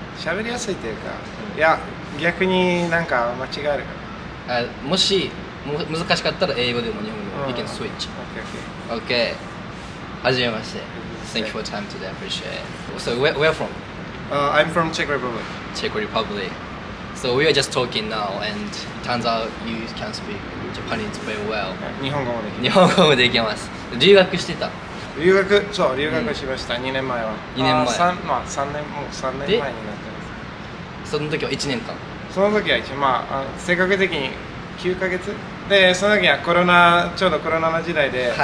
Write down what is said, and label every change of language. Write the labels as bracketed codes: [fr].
[ja] 喋りやすいというか、いや、逆になんか間違えるかな。もし、難しかったら英語でも日本語、 [en] You can switch OKOK OK [ja] はじめまして [en] Thank you for time today, I appreciate it. So, where from? I'm from Czech Republic Czech Republic So we are just talking now and it turns out you can speak Japanese very well [ja] 日本語もできます日本語もできます留学してた留学、そう、留学しました、2年前は 2年前あ、まあ、3年、もう3年前になってますその時は1年間その時は1年、まあ、正確的に9ヶ月で、その時はコロナ、ちょうどコロナの時代では